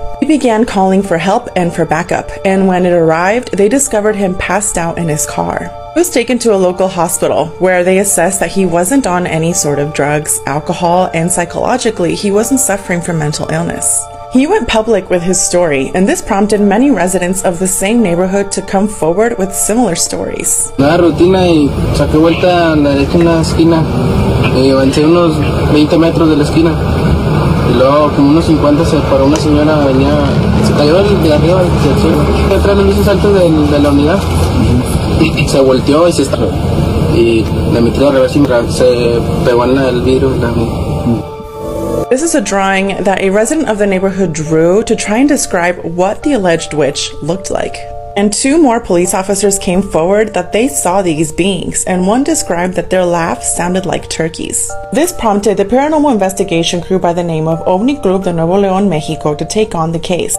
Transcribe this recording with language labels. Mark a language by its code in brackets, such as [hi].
[en] He began calling for help and for backup, and when it arrived, they discovered him passed out in his car. He was taken to a local hospital, where they assessed that he wasn't on any sort of drugs, alcohol, and psychologically, he wasn't suffering from mental illness. He went public with his story, and this prompted many residents of the same neighborhood to come forward with similar stories. [es] La rutina y saqué vuelta a la derecha en la esquina. Avancé unos 20 metros de la esquina. Y luego, como unos 50, se paró una señora, venía, se cayó de arriba y se subió. Detrás de los saltos de la unidad, se volteó y se estrelló. Y le metí al revés y se pegó en el vidrio. [en] This is a drawing that a resident of the neighborhood drew to try and describe what the alleged witch looked like. And two more police officers came forward that they saw these beings, and one described that their laugh sounded like turkeys. This prompted the paranormal investigation crew by the name of OVNI Group de Nuevo León, México to take on the case.